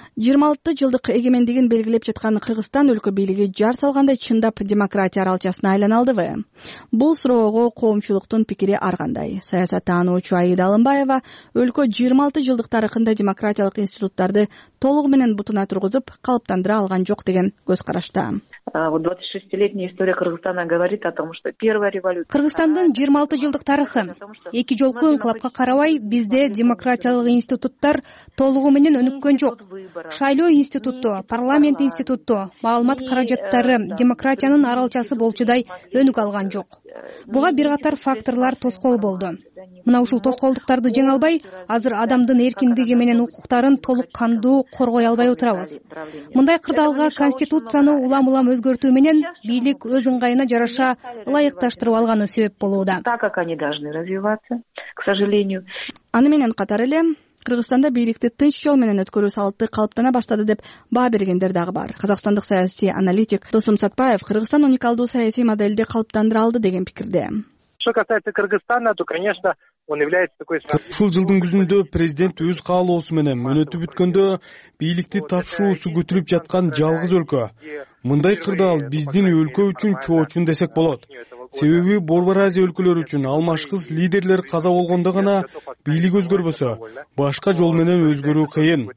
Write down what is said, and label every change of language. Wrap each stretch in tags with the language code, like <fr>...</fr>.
<ky>26 жылдык эгемендигин белгилеп жаткан Кыргызстан өлкө бийлиги жар салгандай чындап демократия аралчасына айлана алдыбы? Бул суроого коомчулуктун пикири ар кандай. Саясат таануучу Аида Алымбаева өлкө 26 жылдык тарыхында демократиялык институттарды толугу менен бутуна тургузуп калыптандыра алган жок деген көз карашта.</ky> <ru>Вот 26-летняя история Кыргызстана говорит о том, что первая революция.</ru> <ky>Кыргызстандын 26 жылдык тарыхы. Эки жолку инкылапка карабай бизде демократиялык институттар толугу менен өнүккөн жок. Шайлоо институту, парламент институту, маалымат каражаттары демократиянын аралчасы болчудай өнүк алган жок. Буга бир катар факторлор тоскоол болду. Мына ушул тоскоолдуктарды жеңе албай, азыр адамдын эркиндиги менен укуктарын толук кандуу коргой албай отурабыз. Мындай кырдаалга конституцияны улам-улам өзгөртүү менен бийлик өз ыңгайына жараша ылайыкташтырып алганы себеп болууда.</ky> <ru>Так как они должны развиваться, к сожалению.</ru> <ky>Аны менен катар эле Кыргызстанда бийликти тынч жол менен өткөрүү салты калыптана баштады деп баа бергендер дагы бар. Казакстандык саясий аналитик Досым Сатпаев Кыргызстан уникалдуу саясий моделди калыптандыра алды деген пикирде.</ky> <ru>Что касается Кыргызстана, то, конечно, он является такой страной.</ru> <ky>Ушул жылдын күзүндө президент өз каалоосу менен мөнөтүп өткөндө бийликти тапшыруусу көтөрүп жаткан жалгыз өлкө. Мындай кырдаал биздин өлкө үчүн чоочун десек болот. Себеби Борбор Азия өлкөлөрү үчүн алмашкыс лидерлер каза болгондо гана бийлик өзгөрбөсө, башка жол менен өзгөрүү кыйын.</ky>